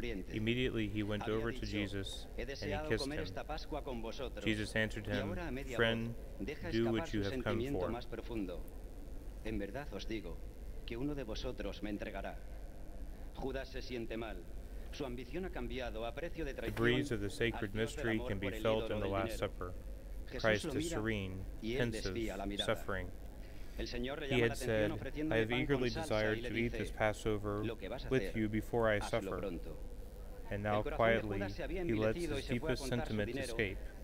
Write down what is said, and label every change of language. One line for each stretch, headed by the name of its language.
English: Immediately he went over to Jesus and he kissed him. Jesus answered him, "Friend, do what you have come for."
Spanish: En verdad os digo que uno de vosotros me entregará. Judas se siente mal. Su ambición ha cambiado a precio de traición.
English: The breeze of the sacred mystery can be felt in the Last Supper. Christ is serene, pensive, suffering. He had said, "I have eagerly desired to eat this Passover with you before I suffer." And now quietly, he lets his deepest sentiment escape.